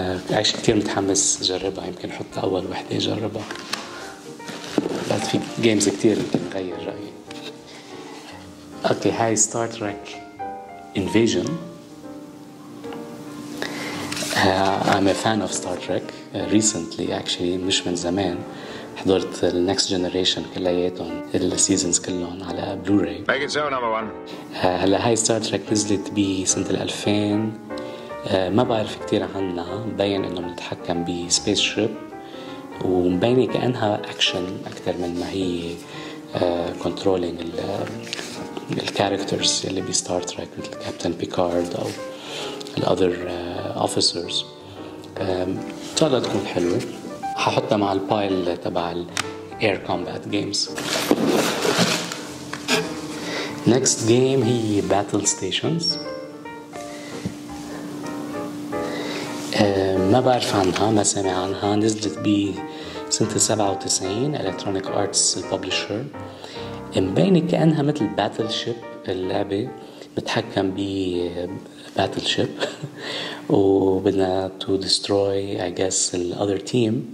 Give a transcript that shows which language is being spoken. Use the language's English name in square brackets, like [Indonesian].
[Arabic] عايش كتير متحمس جربها, يمكن حط اول وحدة جربها. بعد في جيمز كتير يمكن نغير رأيي. اوكي هاي ستار تريك انفيجن. [English] I'm a fan of Star Trek. Recently, actually, [Arabic] مش من زمان, [English] حضرت The Next Generation كلياتهم, the seasons [Arabic] كلهم على [English] Blu-ray. Make it so, number one. [Arabic] هلا هاي Star Trek نزلت بسنة 2000. ما بعرف كتير عنها. مبين إنه متحكم ب spaceship ومبين كأنها action أكثر من ما هي [English] controlling the characters [Arabic] اللي ب Star Trek مثل Captain Picard أو the other officers. إن شاء الله تكون حلوة. هحطها مع البايل تبع الـ Air Combat Games. [English] Next game هي Battle Stations. [Arabic] ما بعرف عنها, ما سمع عنها. نزلت بسنة 97, Electronic Arts Publisher. مبينة كأنها مثل Battleship اللعبة, بتحكم ب Battleship وبدنا [English] to destroy I guess the other team.